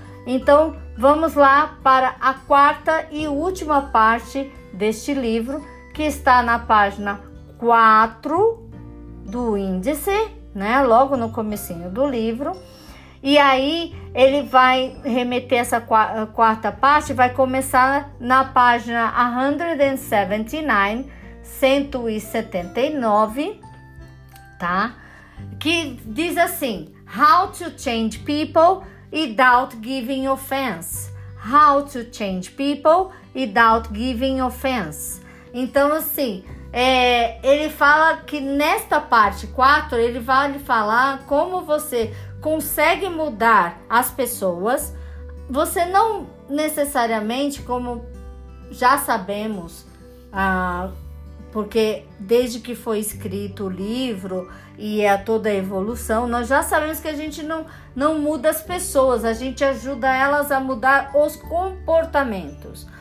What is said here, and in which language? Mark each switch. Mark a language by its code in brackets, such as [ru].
[pt] Então, vamos lá para a quarta e última parte deste livro, que está na página 4 do índice, né? Logo no comecinho do livro. E aí, ele vai remeter essa quarta parte, vai começar na página 179, 179, tá? [en] Que diz assim: How to change people without giving offense. How to change people without giving offense. [pt] Então, assim, ele fala que nesta parte 4, ele vai lhe falar como você consegue mudar as pessoas. Você não necessariamente, como já sabemos, porque desde que foi escrito o livro e é toda a evolução, nós já sabemos que a gente não muda as pessoas, a gente ajuda elas a mudar os comportamentos.